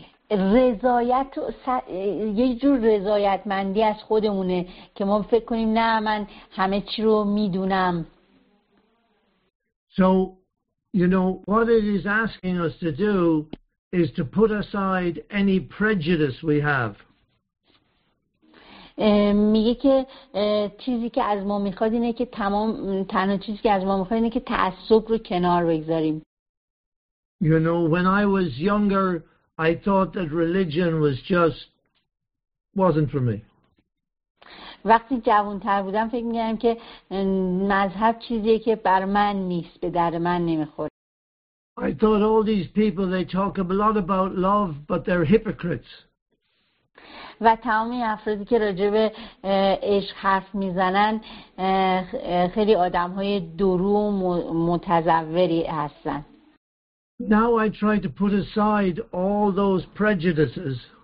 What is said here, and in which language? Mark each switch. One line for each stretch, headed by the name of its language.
Persian: رضایت و یک جور رضایتمندی از خودمونه که ما فکر کنیم نه من همه چی رو میدونم.
English: So you know what it is asking us to do is to put aside any prejudice we have.
Persian: میگه که چیزی که از ما میخواد اینه که تنها چیزی که از ما میخواد اینه که تعصب رو کنار بگذاریم.
English: You know when I was younger I thought that religion was just wasn't for me.
Persian: وقتی جوان‌تر بودم فکر می‌کردم که مذهب چیزیه که بر من نیست، به درد من نمی‌خوره.
English: I thought all these people they talk a lot about love but they're hypocrites.
Persian: و تمام این افرادی که راجع به عشق حرف می‌زنن خیلی آدم‌های دورو و متزوری هستن.
English: Now I try to put aside all those prejudices.